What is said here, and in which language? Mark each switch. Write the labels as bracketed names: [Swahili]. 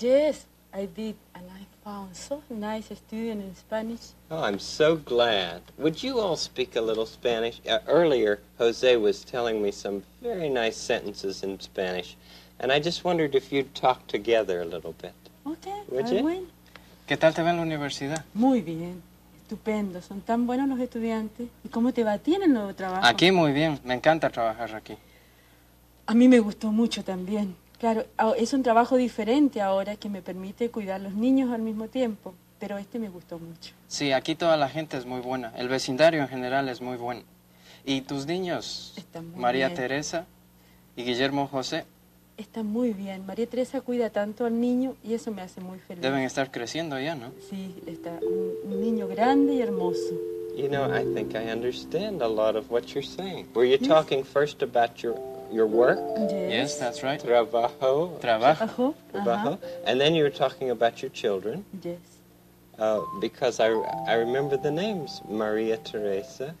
[English] Yes, I did, and I found so nice a student in Spanish. Oh, I'm so glad. Would you all speak a little Spanish? Earlier, Jose was telling me some very nice sentences in Spanish, and I just wondered if you'd talk together a little bit. Okay, would you? Will. [Spanish] ¿Qué tal te va en la universidad? Muy bien. Estupendo, son tan buenos los estudiantes. ¿Y cómo te va a ti en el nuevo trabajo? Aquí muy bien, me encanta trabajar aquí. A mí me gustó mucho también. Claro, es un trabajo diferente ahora que me permite cuidar los niños al mismo tiempo, pero este me gustó mucho. Sí, aquí toda la gente es muy buena, el vecindario en general es muy bueno. ¿Y tus niños? Están muy María bien. Teresa y Guillermo José. Están muy bien. María Teresa cuida tanto al niño y eso me hace muy feliz. Deben estar creciendo ya, ¿no? Sí, está un niño grande y hermoso. [English] You know, I think I understand a lot of what you're saying. Were you talking first about your work? Yes, that's right. [Spanish] Trabajo. Trabajo. Trabajo. Uh-huh. [English] And then you were talking about your children. Yes. Because I remember the names, María Teresa